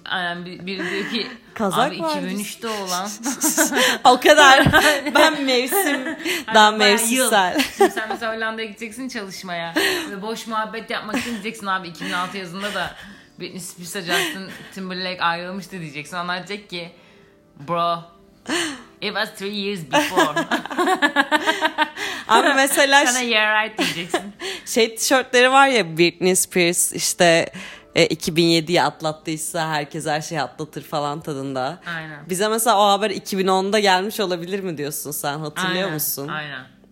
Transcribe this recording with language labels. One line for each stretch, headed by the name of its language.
Turkish: Aynen, biri diyor ki. Kazak abi 2003'te olan. O kadar. Ben mevsim. Daha mevsimsel. Sen mesela Hollanda'ya gideceksin çalışmaya. Ve boş muhabbet yapmak için gideceksin abi. 2006 yazında da Britney Spears'a Justin Timberlake ayrılmıştı diyeceksin. Onlar diyecek ki
English: bro, it was 3 years before.
Turkish: Abi mesela sana
English: you're right
Turkish: diyeceksin. Şey tişörtleri var ya, Britney Spears işte 2007'yi atlattıysa herkes her şeyi atlatır falan tadında. Aynen. Bize mesela o haber 2010'da gelmiş olabilir mi diyorsun sen, hatırlıyor aynen musun? Aynen.